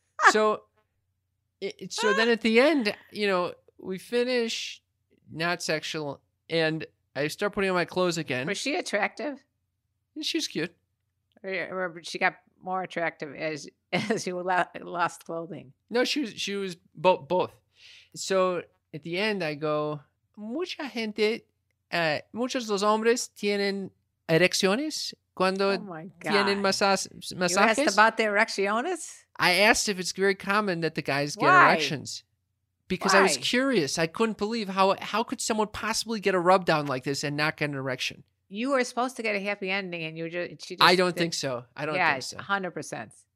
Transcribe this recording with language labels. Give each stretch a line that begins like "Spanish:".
English: So then at the end, you know, we finish, not sexual, and I start putting on my clothes again. Was she attractive? She was cute. She got more attractive as you lost clothing. No, she was both. So at the end, I go,
Spanish: mucha gente, muchos los hombres tienen erecciones cuando tienen masajes.
English: You asked about the erecciones? I asked if it's very common that the guys get erections. Because I was curious. I couldn't believe how could someone possibly get a rub down like this and not get an erection? You were supposed to get a happy ending and you were just... I don't think so. I don't think so. 100%.